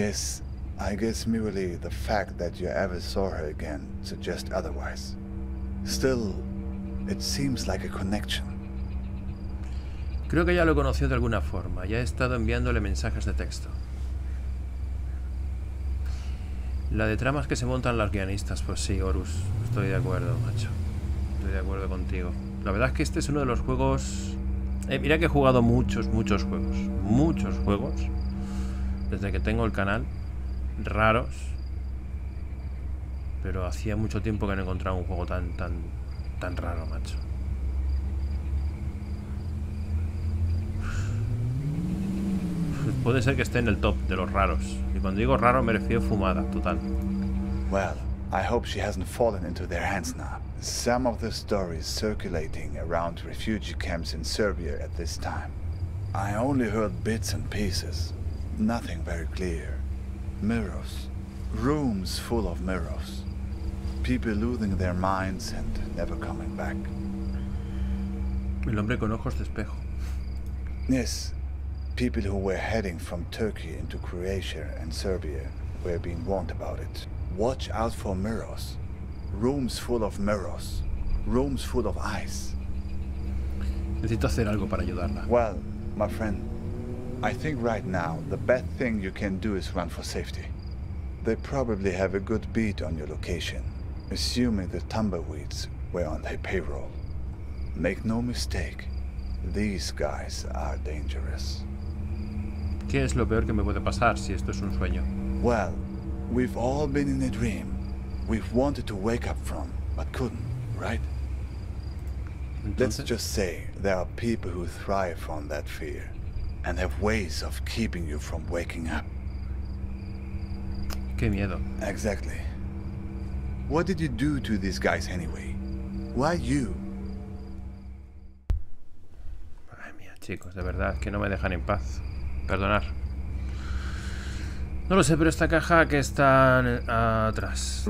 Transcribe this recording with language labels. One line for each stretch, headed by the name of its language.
English: Yes, I guess merely the fact that you ever saw her again suggests otherwise. Still, it seems like a connection.
Spanish: Creo que ya lo conoció de alguna forma. Ya he estado enviándole mensajes de texto. La de tramas que se montan las guionistas. Pues sí, Horus. Estoy de acuerdo, macho. Estoy de acuerdo contigo. La verdad es que este es uno de los juegos... mira que he jugado muchos, muchos juegos. Muchos juegos. Desde que tengo el canal. Raros. Pero hacía mucho tiempo que no encontraba un juego tan raro, macho. Puede ser que esté en el top de los raros. Y cuando digo raro me refiero a fumada, total.
English: Well, I hope she hasn't fallen into their hands now. Some of the stories circulating around refugee camps in Serbia at this time. I only heard bits and pieces. Nothing very clear. Mirrors. Rooms full of mirrors. People losing their minds and never coming back.
Spanish: El hombre con ojos de espejo.
English: Yes. People who were heading from Turkey into Croatia and Serbia were being warned about it. Watch out for mirrors. Rooms full of mirrors. Rooms full of eyes.
Spanish: Necesito hacer algo para ayudarla.
English: Well, my friend, I think right now the best thing you can do is run for safety. They probably have a good beat on your location, assuming the tumbleweeds were on their payroll. Make no mistake, these guys are dangerous.
Spanish: ¿Qué es lo peor que me puede pasar si esto es un sueño?
English: Well, we've all been in a dream. We've wanted to wake up from, but couldn't, right?
Spanish: ¿Entonces?
English: Let's just say there are people who thrive on that fear and have ways of keeping you from waking up.
Spanish: ¡Qué miedo!
English: Exactly. What did you do to these guys anyway? Why you?
Spanish: Ay, mía, chicos, de verdad, que no me dejan en paz. Perdonar. No lo sé, pero esta caja que está atrás de